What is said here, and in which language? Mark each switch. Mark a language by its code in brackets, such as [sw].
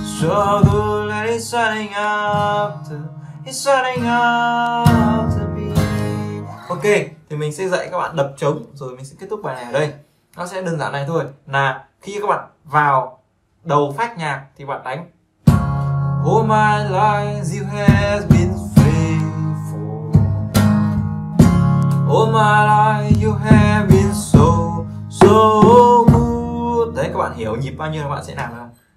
[en] So good that it's starting out to, it's starting out to me. [vi] Ok, thì mình sẽ dạy các bạn đập trống rồi mình sẽ kết thúc bài này ở đây. Nó sẽ đơn giản này thôi, là khi các bạn vào đầu phách nhạc thì bạn đánh [en] All my life you have been faithful. All my life you have been so, so good. [vi] Đấy, các bạn hiểu nhịp bao nhiêu các bạn sẽ làm không?